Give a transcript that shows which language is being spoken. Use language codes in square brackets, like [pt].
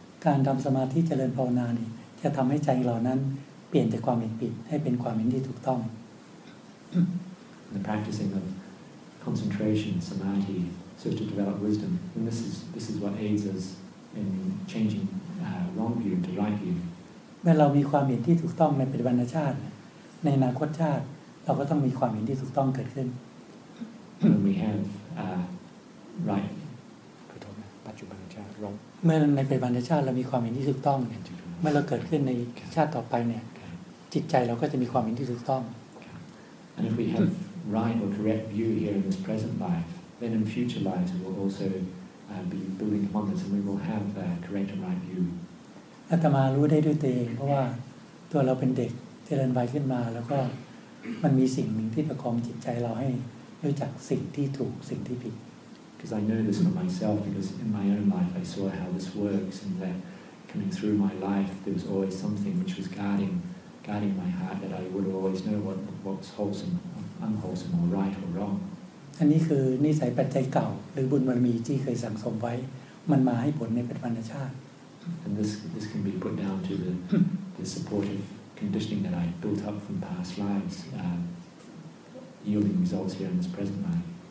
[th] การทำสมาธิเจริญภาวนานี่จะทำให้ใจเรานั้นเปลี่ยนจากความเห็นผิดให้เป็นความเห็นที่ถูกต้อง [en] The practicing of concentration, samadhi, so to develop wisdom, and this is what aids us in changing wrong view to right view. [th] เมื่อเรามีความเห็นที่ถูกต้องในปัจจุบันชาติในอนาคตชาติเราก็ต้องมีความเห็นที่ถูกต้องเกิดขึ้น [en] We have right ปัจจุบันชาติ wrong [th] เมื่อในปัจจุบันชาติเรามีความเห็นที่ถูกต้องเมื่อเราเกิดขึ้นในชาติต่อไปเนี่ยจิตใจเราก็จะมีความเห็นที่ถูกต้อง [en] And if we have right or correct view here in this present life then in future lives we will also be building upon this and we will have correct and right view. [th] อาตมารู้ได้ด้วยตัวเองเพราะว่าตัวเราเป็นเด็กเจริญวัยขึ้นมาแล้วก็มันมีสิ่งหนึ่งที่ประคองจิตใจเราให้รู้จักสิ่งที่ถูกสิ่งที่ผิด [en] Because I know this for myself because in my own life I saw how this works and that coming through my life there was always something which was guarding my heart that I would always know what's wholesome unwholesome or right or wrong [th] อันนี้คือนิสัยปัจจัยเก่าหรือบุญบารมีที่เคยสั่งสมไว้มันมาให้ผลในปัจจุบันชาติ [en] And this can be put down to the supportive conditioning that I built up from past lives, yielding results here in this present life.